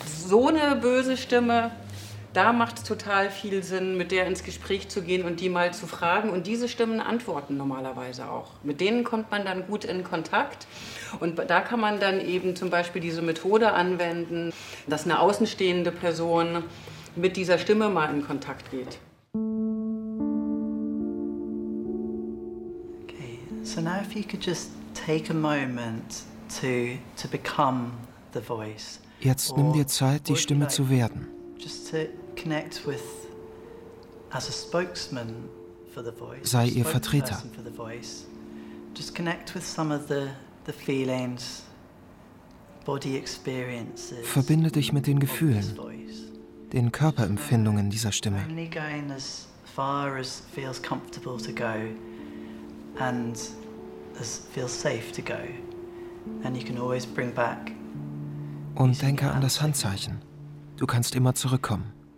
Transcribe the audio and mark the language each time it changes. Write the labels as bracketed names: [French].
[German] So eine böse Stimme, da macht es total viel Sinn, mit der ins Gespräch zu gehen und die mal zu fragen. Und diese Stimmen antworten normalerweise auch. Mit denen kommt man dann gut in Kontakt. Und da kann man dann eben zum Beispiel diese Methode anwenden, dass eine außenstehende Person mit dieser Stimme mal in Kontakt geht. [English] Okay, so now if you could just take a moment to become the voice. [German] Jetzt nimm dir Zeit, die Stimme zu werden. Sei ihr Vertreter. [English] Just connect with some of the feelings, body experiences. [German] Verbinde dich mit den Gefühlen, den Körperempfindungen dieser Stimme. [English] Only going as far as feels comfortable to go and as feels safe to go. And you can always bring back. [German] Und denke an das Handzeichen. Du kannst immer zurückkommen.